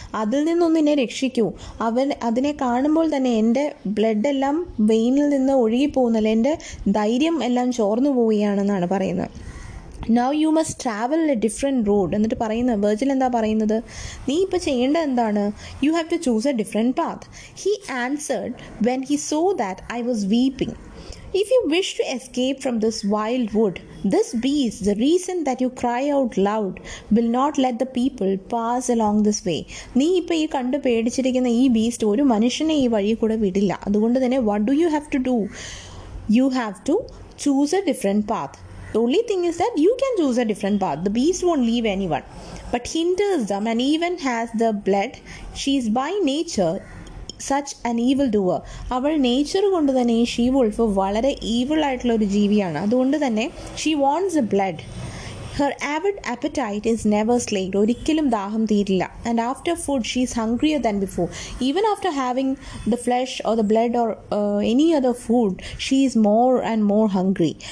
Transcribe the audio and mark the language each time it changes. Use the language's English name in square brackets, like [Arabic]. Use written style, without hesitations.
[Malayalam] അതിൽ നിന്നൊന്ന് എന്നെ രക്ഷിക്കൂ. അവൻ അതിനെ കാണുമ്പോൾ തന്നെ എൻ്റെ ബ്ലഡെല്ലാം വെയിനിൽ നിന്ന് ഒഴുകിപ്പോകുന്നില്ല, എൻ്റെ ധൈര്യം എല്ലാം ചോർന്നു പോവുകയാണെന്നാണ് പറയുന്നത്. [English] Now you must travel a different road. [Malayalam] എന്നിട്ട് പറയുന്നത് വെർജിൽ എന്താ പറയുന്നത്? നീ ഇപ്പോൾ ചെയ്യേണ്ടത് എന്താണ്? [English] You have to choose a different path. He answered when he saw that I was weeping. If you wish to escape from this wild wood, this beast, the reason that you cry out loud, will not let the people pass along this way. [Malayalam] നീ ഇപ്പോൾ ഈ കണ്ട് പേടിച്ചിരിക്കുന്ന ഈ beast ഒരു മനുഷ്യനെ ഈ വഴിയിൽ കൂടെ വിടില്ല. അതുകൊണ്ട് തന്നെ [English] what do you have to do? You have to choose a different path. The only thing is that you can choose a different path. The beast won't leave anyone. But hinders them and even has the blood. She is by nature such an evil doer. [Malayalam] അവൾ nature കൊണ്ട് തന്നെ ഈ she wolf വളരെ ഈവിളായിട്ടുള്ള ഒരു ജീവിയാണ്. അതുകൊണ്ട് തന്നെ [English] She wants a blood. Her avid appetite is never slaked. [Malayalam] ഒരിക്കലും ദാഹം തീരില്ല. [English] And after food she is hungrier than before. Even after having the flesh or the blood or any other food she is more and more hungry.